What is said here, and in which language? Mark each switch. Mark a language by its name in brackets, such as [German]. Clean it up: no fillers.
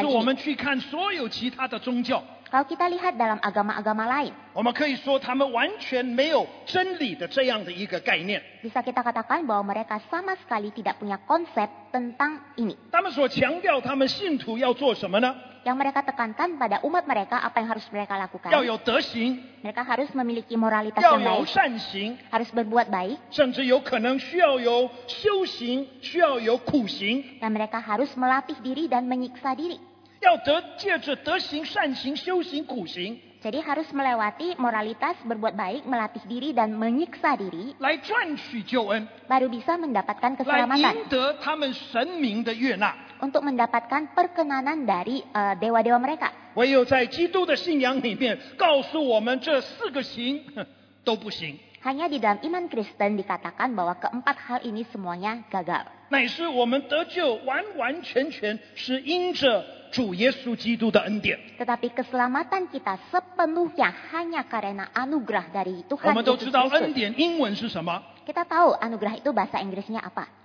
[Chinese] 若是我们去看所有其他的宗教。 [Indonesian] Kalau kita lihat dalam agama-agama lain, [Chinese] 我们可以说他们完全没有真理的这样的一个概念。 [Indonesian] Bisa kita katakan bahwa mereka sama sekali tidak punya konsep tentang ini. [Chinese] 他们所强调他们信徒要做什么呢？ [Indonesian] Yang mereka tekankan pada umat mereka apa yang harus mereka lakukan? [Chinese] 要有德行。 [Indonesian] Mereka harus memiliki moralitas yang baik. [Chinese] 要有善行。 [Indonesian] Harus berbuat baik. [Chinese] 甚至有可能需要有修行，需要有苦行。 [Indonesian] Dan mereka harus melatih diri dan menyiksa diri. [Chinese] 要得借着德行、善行、修行、苦行。 [Indonesian] Jadi harus melewati moralitas berbuat baik, melatih diri dan menyiksa diri. [Chinese] 来赚取救恩。 [Indonesian] Baru bisa mendapatkan keselamatan. [Chinese] 来赢得他们神明的悦纳。 [Indonesian] Untuk mendapatkan perkenanan dari dewa-dewa mereka. [Chinese] 唯有在基督的信仰里面告诉我们这四个行都不行。 [Indonesian] Hanya di dalam iman Kristen dikatakan bahwa keempat hal ini semuanya gagal. [Chinese] 乃是我们得救完完全全是因着主耶稣基督的恩典。 [Indonesian] Tetapi keselamatan kita sepenuhnya hanya karena anugerah dari Tuhan. [Chinese] 我们都知道恩典英文是什么？ [Indonesian] Kita tahu anugerah itu bahasa Inggrisnya apa?